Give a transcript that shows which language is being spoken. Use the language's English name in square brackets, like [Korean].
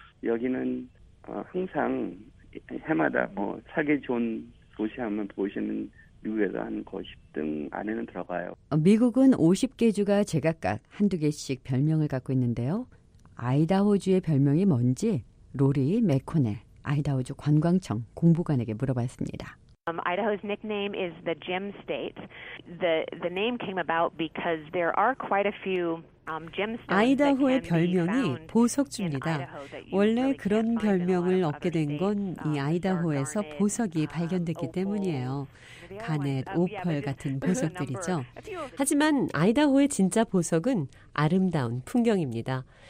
[Korean] 여기는 항상 해마다 뭐 살기 좋은 도시 하면 보이시는 미국에서 한 50등 안에는 들어가요. 미국은 50개 주가 제각각 한두 개씩 별명을 갖고 있는데요. 아이다호주의 별명이 뭔지 로리 맥코넬 아이다호주 관광청 공보관에게 물어봤습니다. [English] Idaho's nickname is the Gem State. The name came about because there are quite a few [Korean] 아이다호의 별명이 보석주입니다. 원래 그런 별명을 얻게 된 건 이 아이다호에서 보석이 발견됐기 때문이에요. 가넷, 오펄 같은 보석들이죠. 하지만 아이다호의 진짜 보석은 아름다운 풍경입니다.